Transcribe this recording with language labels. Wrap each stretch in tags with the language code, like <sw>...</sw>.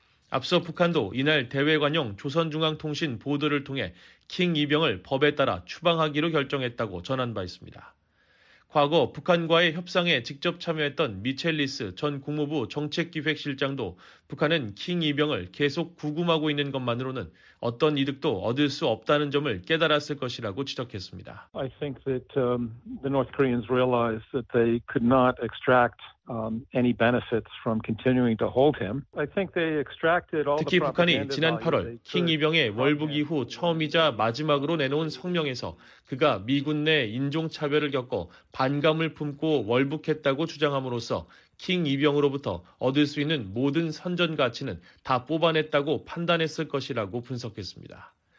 <ko>앞서 북한도 이날 대외관용 조선중앙통신 보도를 통해 킹 이병을 법에 따라 추방하기로 결정했다고 전한 바 있습니다. 과거 북한과의 협상에 직접 참여했던 미첼리스 전 국무부 정책기획실장도 북한은 킹 이병을 계속 구금하고 있는 것만으로는 어떤 이득도 얻을 수 없다는 점을 깨달았을 것이라고 지적했습니다.</ko> <en>I think that the North Koreans realized that they could not extract any benefits from continuing to hold him. I think they extracted all the.</en> <ko>특히 북한이 지난 8월 킹 이병의 월북 이후 처음이자 마지막으로 내놓은 성명에서 그가 미군 내 인종차별을 겪어 반감을 품고 월북했다고 주장함으로써 킹 이병으로부터 얻을 수 있는 모든 선전 가치는 다 뽑아냈다고 판단했을 것이라고 분석했습니다.</ko>